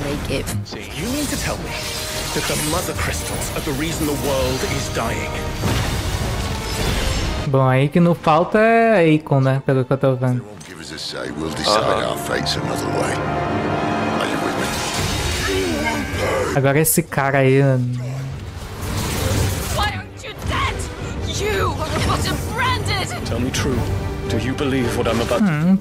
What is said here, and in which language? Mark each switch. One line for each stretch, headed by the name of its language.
English: You need to tell me that the mother crystals are the reason the world is dying.
Portuguese: Bom, aí que não falta é a Aikon, né? Pelo que eu tô vendo.
English: They won't give us a say, we'll decide our fates another way. Are you with me?
Portuguese: Agora esse cara aí.
English: Tell me true. Do you believe what I'm about to do?